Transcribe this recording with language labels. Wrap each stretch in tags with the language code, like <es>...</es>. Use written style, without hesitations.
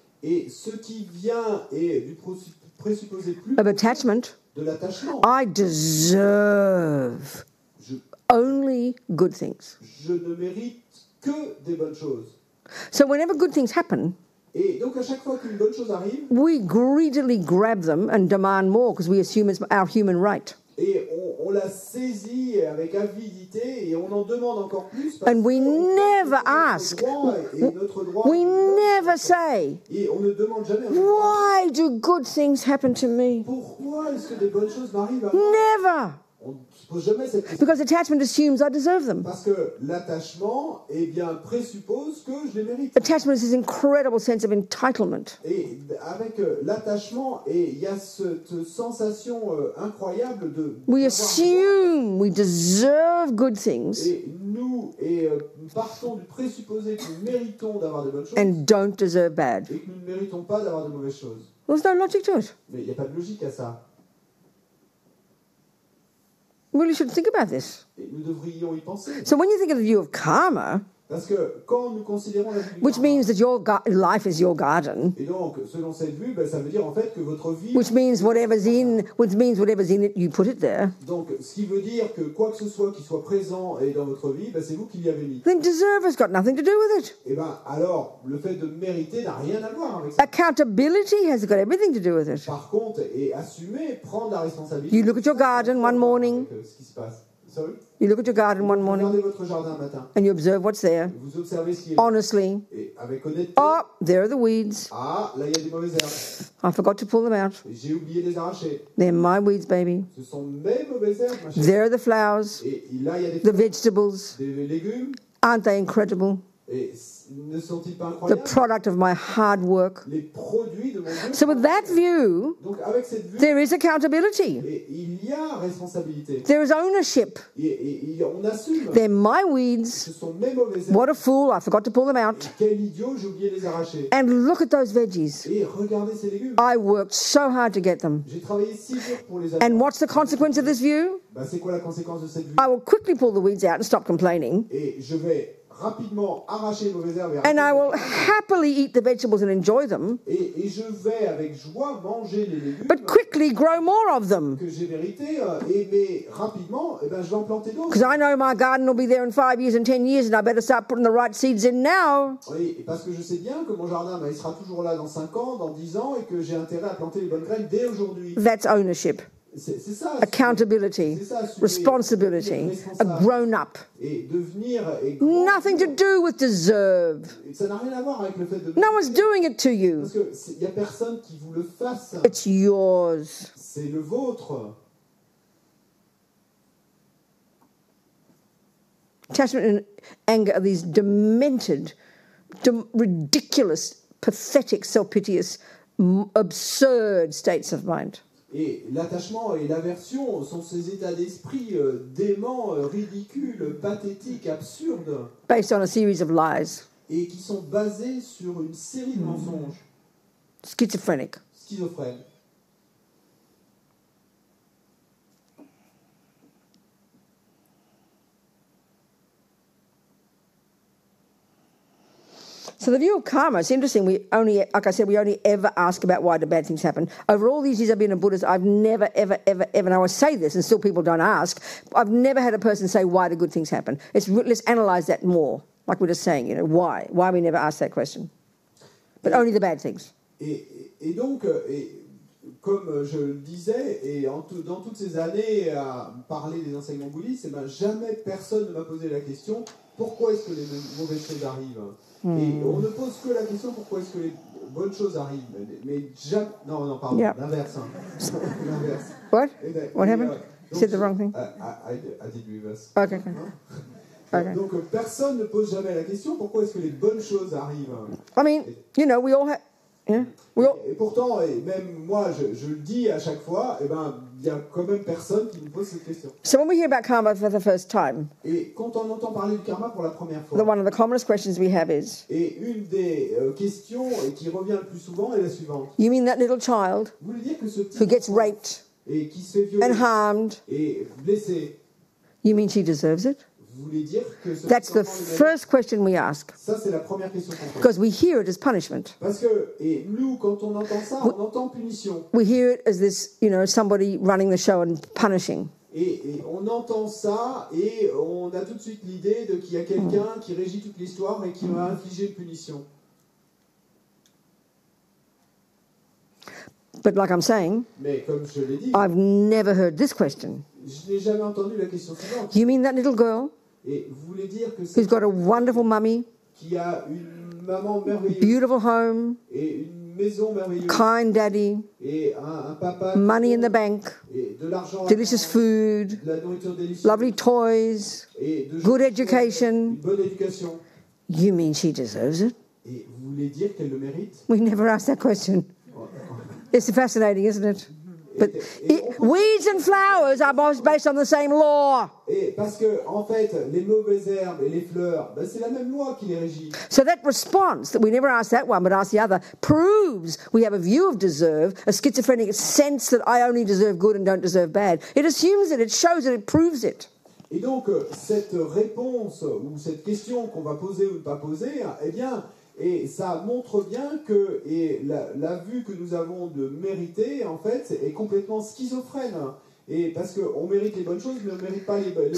<fr>Et ce qui vient est du présupposé plus</fr> <en>of attachment.</en> <fr>De l'attachement.</fr> <en>I deserve. Only good things.</en> <fr>Je ne mérite que des bonnes choses.</fr> <en>So whenever good things happen,</en> <fr>et donc à chaque fois qu'une bonne chose arrive,</fr> <en>we greedily grab them and demand more because we assume it's our human right.</en> <fr>Et on la saisit avec avidité et on en demande encore plus. Parce</fr> <en>and we</en> <fr>que</fr> <en>never ask. We never say.</en> <fr>Et on ne demande jamais.</fr> <en>Why do good things happen to me?</en> <fr>Pourquoi est-ce que des bonnes choses m'arrivent à moi?</fr> <en>Never.</en> <fr>On ne pose jamais cette question.</fr> <en>Because attachment assumes I deserve them.</en> <fr>Parce que l'attachement, eh bien, présuppose que je les mérite.</fr> <en>Attachment is this incredible sense of entitlement.</en> <fr>Et avec l'attachement, il y a cette sensation incroyable de.</fr> <en>We assume we deserve good things.</en> <fr>Et nous partons du présupposé que nous méritons d'avoir de bonnes choses.</fr> <en>And don't deserve bad.</en> <fr>Et que nous ne méritons pas d'avoir de mauvaises choses.</fr> <en>There's no logic to it.</en> <fr>Mais il n'y a pas de logique à ça.</fr> <en>Really should think about this.</en> <fr>Nous devrions y penser.</fr> <en>So when you think of the view of karma,</en> <fr>parce que quand nous considérons la vie</fr> <en>which karma, means that your life is your garden,</en> <fr>et donc selon cette vue, ben, ça veut dire en fait que votre vie,</fr> <en>which means whatever's in it, you put it there.</en> <fr>Donc ce qui veut dire que quoi que ce soit qui soit présent et dans votre vie, ben, c'est vous qui l'y avez mis.</fr> <en>Then deserve has got nothing to do with it.</en> <fr>Et ben alors le fait de mériter n'a rien à voir avec ça.</fr> <en>Accountability has got everything to do with it.</en> <fr>Par contre, et assumer, prendre la responsabilité.</fr> <en>You look at your garden one morning. Sorry? You look at your garden one morning</en> <fr>votre jardin matin,</fr> <en>and you observe what's there.</en> <fr>Vous observez ce qui est</fr> <en>honestly.</en> <fr>Et avec honnêteté,</fr> <en>oh, there are the weeds.</en> <fr>Ah, là, y a des mauvaises herbes.</fr> <en>I forgot to pull them out.</en> <fr>J'ai oublié les arracher.</fr> <en>They're my weeds, baby.</en> <fr>Ce sont mes mauvaises herbes, ma chérie.</fr> <en>There are the flowers.</en> <fr>Et là, y a des</fr> <en>the vegetables.</en> <fr>Des légumes.</fr> <en>Aren't they incredible?</en> <fr>Et ne sont-ils pas incroyables?</fr> <en>The product of my hard work.</en> <fr>Les produits de mon jeu.</fr> <en>So with that view,</en> <fr>donc avec cette vue,</fr> <en>there is accountability.</en> <fr>Et il y a responsabilité.</fr> <en>There is ownership.</en> <fr>Et on assume.</fr> <en>They're my weeds.</en> <fr>Ce sont mes mauvaises herbes.</fr> <en>What a fool, I forgot to pull them out.</en> <fr>Et quel idiot, j'ai oublié les arracher.</fr> <en>And look at those veggies.</en> <fr>Et regardez ces légumes.</fr> <en>I worked so hard to get them.</en> <fr>J'ai travaillé 6 jours pour les avoir.</fr> <en>And what's the consequence of this view?</en> <fr>Ben, c'est quoi la conséquence de cette vue?</fr> <en>I will quickly pull the weeds out and stop complaining.</en> <fr>Et je vais rapidement arracher les mauvaises herbes.</fr> <en>And I will happily eat the vegetables and enjoy them.</en> <fr>Et je vais avec joie manger les légumes.</fr> <en>But quickly grow more of them.</en> <fr>Que j'ai mérité, et mais rapidement, et ben je vais en planter d'autres.</fr> <en>Because I know my garden will be there in 5 years and 10 years, and I better start putting the right seeds in now.</en> <fr>Oui, parce que je sais bien que mon jardin, ben, il sera toujours là dans 5 ans, dans 10 ans, et que j'ai intérêt à planter les bonnes graines dès aujourd'hui.</fr> <en>That's ownership.</en> <fr>C'est ça,</fr> <en>accountability, responsibility, a grown-up. Nothing to do with deserve.</en> <fr>Ça n'a rien à voir avec le fait de</fr> <en>no one's doing it to you.</en> <fr>Parce que y a personne qui vous le fasse.</fr> <en>It's yours.</en> <fr>C'est le vôtre.</fr> <en>Attachment and anger are these demented, ridiculous, pathetic, self-piteous, absurd states of mind.</en> <fr>Et l'attachement et l'aversion sont ces états d'esprit déments, ridicules, pathétiques, absurdes.</fr> <en>Based on a series of lies.</en> <fr>Et qui sont basés sur une série de mensonges. Schizophrénique. Schizophrène.</fr> <en>So the view of karma is interesting. We only, like I said, we only ever ask about why do bad things happen. Over all these years I've been a Buddhist, I've never, ever, ever, ever, and I always say this, and still people don't ask, I've never had a person say why do good things happen. Let's analyze that more, like we're just saying, you know, why? Why we never ask that question? But only the bad things.</en> <fr>Et donc, comme je le disais, dans toutes ces années à parler des enseignements bouddhistes, et ben jamais personne ne m'a posé la question pourquoi est-ce que les mauvaises choses arrivent. Et on ne pose que la question pourquoi est-ce que les bonnes choses arrivent. Mais jamais. Non, pardon,</fr> <en>yep.</en> <fr>L'inverse. Hein. L'inverse.</fr> <en>What? What happened? You said the wrong thing? I did reverse. Okay. Okay.</en> <fr>Donc personne ne pose jamais la question pourquoi est-ce que les bonnes choses arrivent.</fr> <en>I mean, you know, we all have. Yeah. We all...</en> <fr>Et pourtant, et même moi, je le dis à chaque fois, et ben, il y a quand même personne qui me pose cette question.</fr> <en>So when we hear about karma for the first time,</en> <fr>et quand on entend parler du karma pour la première fois,</fr> <en>the one of the commonest questions we have is,</en> <fr>et une des questions qui revient le plus souvent est la suivante.</fr> <en>You mean that little child</en> <fr>vous voulez dire que ce petit</fr> <en>who gets raped</en> <fr>et qui se fait violer</fr> <en>and harmed</en> <fr>et blessé,</fr> <en>you mean she deserves it? That's the first question we ask.</en> <fr>Ça, c'est la première question qu'on pose.</fr> <en>Because we hear it as punishment.</en> <fr>Parce que, et nous, quand on entend ça, on entend punition.</fr> <en>We hear it as this, you know, somebody running the show and punishing.</en> <fr>Et on entend ça et on a tout de suite l'idée de qu'il y a quelqu'un qui régit toute l'histoire et qui va infliger une punition.</fr> <en>But like I'm saying,</en> <fr>mais comme je l'ai dit,</fr> <en>I've never heard this question.</en> <fr>Je n'ai jamais entendu la question suivante.</fr> <en>You mean that little girl?</en> <fr>Et vous voulez dire que</fr> <en>who's got a wonderful mummy?</en> <fr>Qui a une maman merveilleuse.</fr> <en>Beautiful home.</en> <fr>Et une maison merveilleuse.</fr> <en>Kind daddy.</en> <fr>Et un papa.</fr> <en>Money in the bank.</en> <fr>Et de l'argent.</fr> <en>Delicious food.</en> <fr>La nourriture délicieuse.</fr> <en>Lovely toys.</en> <fr>Et de</fr> <en>good education.</en> <fr>Une bonne éducation.</fr> <en>You mean she deserves it?</en> <fr>Et vous voulez dire qu'elle le mérite?</fr> <en>We never ask that question. It's fascinating, isn't it? But weeds and flowers are based on the same law.</en> <fr>Et parce que en fait, les mauvaises herbes et les fleurs, ben c'est la même loi qui les régit.</fr> <en>So that response that we never ask that one, but ask the other, proves we have a view of deserve, a schizophrenic sense that I only deserve good and don't deserve bad. It assumes it. It shows it. It proves it.</en> <fr>Et donc cette réponse ou cette question qu'on va poser ou ne pas poser, eh bien. Et ça montre bien que et la vue que nous avons de mériter, en fait, est complètement schizophrène. Et parce qu'on mérite les bonnes choses, mais on ne mérite pas les bonnes choses.</fr>